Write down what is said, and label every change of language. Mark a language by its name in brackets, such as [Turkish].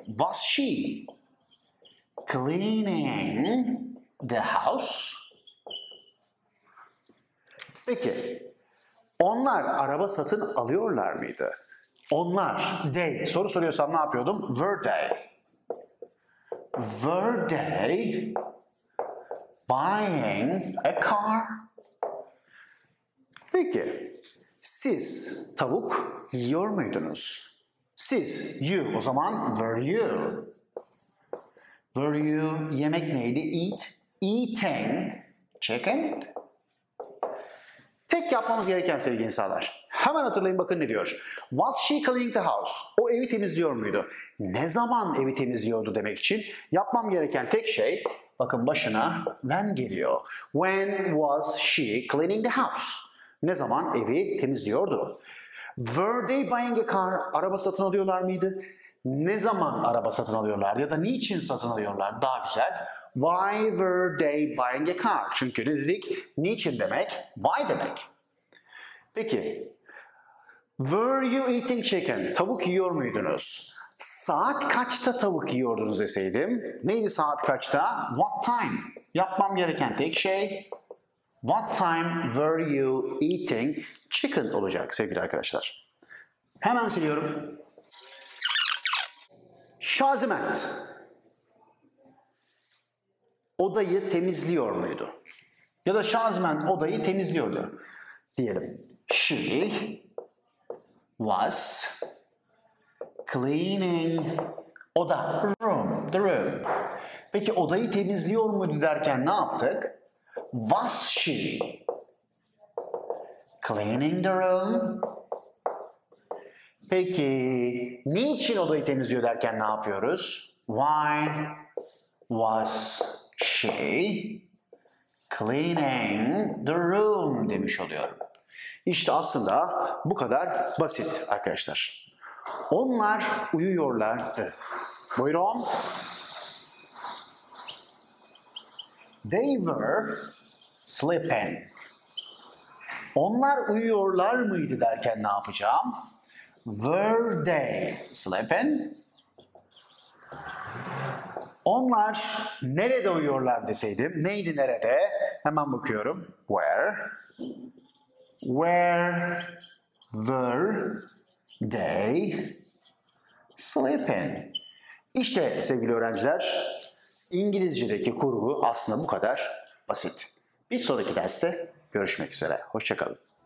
[English] Was she cleaning the house? [Turkish] Peki, onlar araba satın alıyorlar mıydı? Onlar, [English] they. [Turkish] Soru soruyorsam ne yapıyordum? [English] Were they? Were they buying a car? [Turkish] Peki, siz tavuk yiyor muydunuz? Siz, [English] you, [Turkish] o zaman [English] were you? Were you, [Turkish] yemek neydi? [English] Eat, eating chicken? [Turkish] Tek yapmamız gereken sevgili insanlar, hemen hatırlayın bakın ne diyor. [English] Was she cleaning the house? [Turkish] O evi temizliyor muydu? Ne zaman evi temizliyordu demek için yapmam gereken tek şey, bakın başına when geliyor. [English] When was she cleaning the house? [Turkish] Ne zaman evi temizliyordu? [English] Were they buying a car? [Turkish] Araba satın alıyorlar mıydı? Ne zaman araba satın alıyorlar ya da niçin satın alıyorlar? Daha güzel. [English] Why were they buying a car? [Turkish] Çünkü ne dedik? Niçin demek? [English] Why [Turkish] demek? [English] Peki, were you eating chicken? [Turkish] Tavuk yiyor muydunuz? Saat kaçta tavuk yiyordunuz deseydim? Neydi saat kaçta? [English] What time? [Turkish] Yapmam gereken tek şey, [English] what time were you eating chicken [Turkish] olacak sevgili arkadaşlar. Hemen siliyorum. Şazimet odayı temizliyor muydu? Ya da Şazmen odayı temizliyordu diyelim. [English] She was cleaning [Turkish] oda, [English] room, the room. [Turkish] Peki odayı temizliyor muydu derken ne yaptık? [English] Was she cleaning the room? [Turkish] Peki niçin odayı temizliyor derken ne yapıyoruz? [English] Why was she cleaning the room [Turkish] demiş oluyorum. İşte aslında bu kadar basit arkadaşlar. Onlar uyuyorlardı. Buyurun. [English] They were sleeping. [Turkish] Onlar uyuyorlar mıydı derken ne yapacağım? [English] Were they sleeping? [Turkish] Onlar nerede uyuyorlar deseydim. Neydi nerede? Hemen bakıyorum. [English] Where? Where were they sleeping? [Turkish] İşte sevgili öğrenciler, İngilizce'deki kurgu aslında bu kadar basit. Bir sonraki derste görüşmek üzere. Hoşça kalın.